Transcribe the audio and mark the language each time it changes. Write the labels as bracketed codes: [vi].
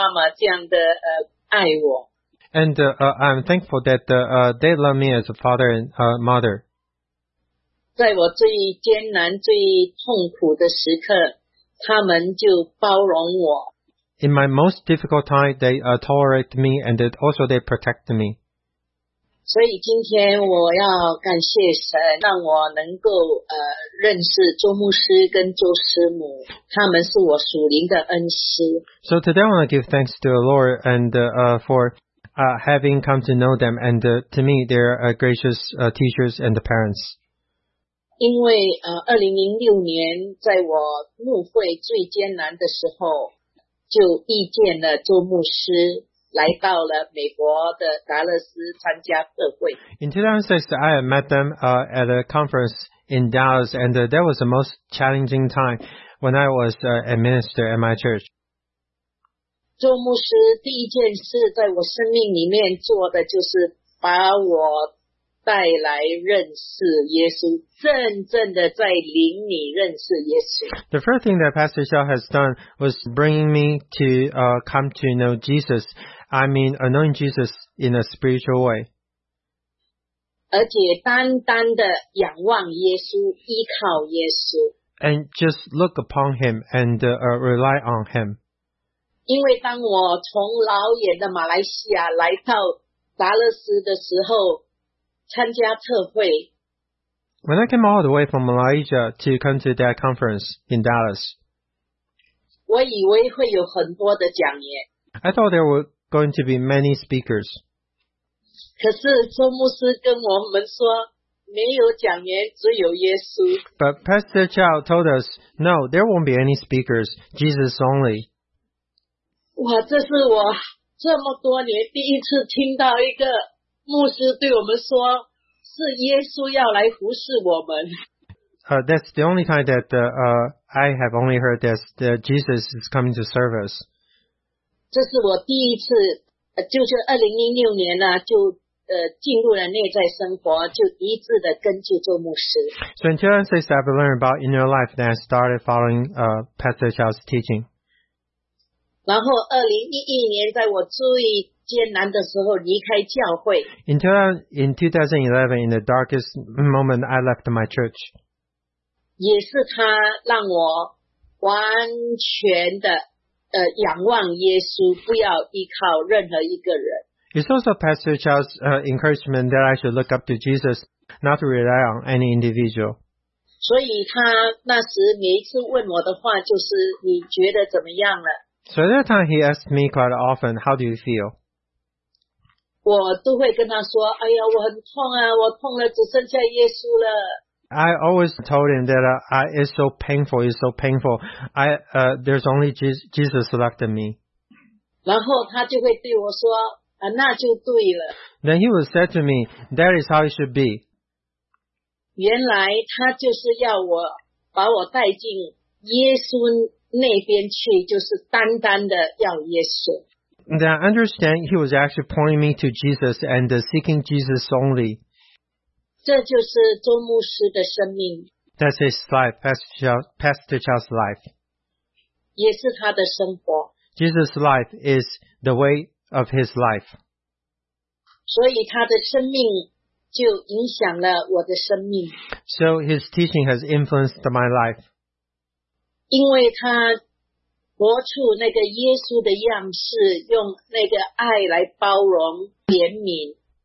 [zh] 儿子母感谢赞美主，他们都像爸爸妈妈这样的爱我。 [en] And I'm thankful that they love me as a father and mother. [zh] 在我最艰难、最痛苦的时刻。 [en] In my most difficult time, they tolerate me, and also they protect me. [zh] 所以今天我要感谢神，让我能够认识周牧师跟周师母，他们是我属灵的恩师。 [en] So today I want to give thanks to the Lord, and for having come to know them, and to me, they're gracious teachers and the parents. [zh] 因为2006年在我牧会最艰难的时候，就遇见了周牧师，来到了美国的达勒斯参加特会。 [en] In 2006, I met them at a conference in Dallas, and that was the most challenging time when I was a minister at my church. [zh] 周牧师第一件事在我生命里面做的就是把我带来认识耶稣，真正的在灵里认识耶稣。 [en] The first thing that Pastor Xiao has done was bringing me to come to know Jesus. I mean, knowing Jesus in a spiritual way. [zh] 而且单单的仰望耶稣，依靠耶稣。 [en] And just look upon him and rely on him. [zh] 因为当我从老远的马来西亚来到达勒斯的时候，参加特会。 [en] When I came all the way from Malaysia to come to that conference in Dallas, [zh] 我以为会有很多的讲员。 [en] I thought there were going to be many speakers. [zh] 可是周牧师跟我们说，没有讲员，只有耶稣。 [en] But Pastor Chow told us, no, there won't be any speakers, Jesus only. [zh] 哇，这是我这么多年第一次听到一个牧师对我们说，是耶稣要来服侍我们。 [en] That's the only time that I have only heard that Jesus is coming to serve us. [zh] 这是我第一次，就是2006年呢、啊，就进入了内在生活，就一致的跟着做牧师。 [en] So in 2006, I've learned about inner life, then I started following Pastor Charles teaching. [zh] 然后2011年，在我最艰难的时候离开教会。 [en] In 2011, in the darkest moment, I left my church. [zh] 也是他让我完全的仰望耶稣，不要依靠任何一个人。 [en] It's also Pastor Charles' encouragement that I should look up to Jesus, not to rely on any individual. [zh] 所以他那时每一次问我的话就是，你觉得怎么样了？ [en] So at that time, he asked me quite often, how do you feel? [zh] 我都会跟他说，哎呀，我很痛啊，我痛了，只剩下耶稣了。 [en] I always told him that it's so painful. There's only Jesus left in me. [zh] 然后他就会对我说，那就对了。 [en] Then he would say to me, that is how it should be. [zh] 原来他就是要我把我带进耶稣那边去，就是单单的要耶稣。 [en] Then I understand he was actually pointing me to Jesus and seeking Jesus only. [zh] 这就是周牧师的生命。 [en] That's his life, Pastor Charles' life. [zh] 也是他的生活。 [en] Jesus' life is the way of his life. [zh] 所以他的生命就影响了我的生命。 [en] So his teaching has influenced my life. [zh] 因为他活出那个耶稣的样式，用那个爱来包容怜悯。